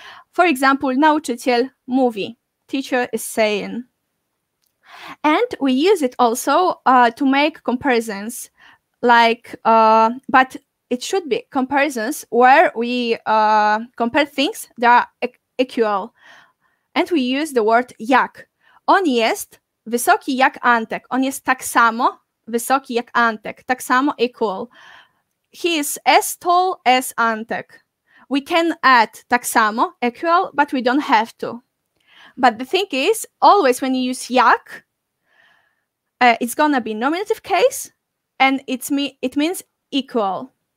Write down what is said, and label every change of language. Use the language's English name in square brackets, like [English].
[English] For example, [Polish] nauczyciel mówi, [English] teacher is saying. And we use it also to make comparisons, like, but it should be comparisons where we compare things that are equal. And we use the word jak. [Polish] On jest wysoki jak Antek. On jest tak samo wysoki jak Antek. Tak samo [English] equal. He is as tall as Antek. We can add [Polish] tak samo [English] equal, but we don't have to. But the thing is, always when you use jak, it's gonna be nominative case, and it means equal.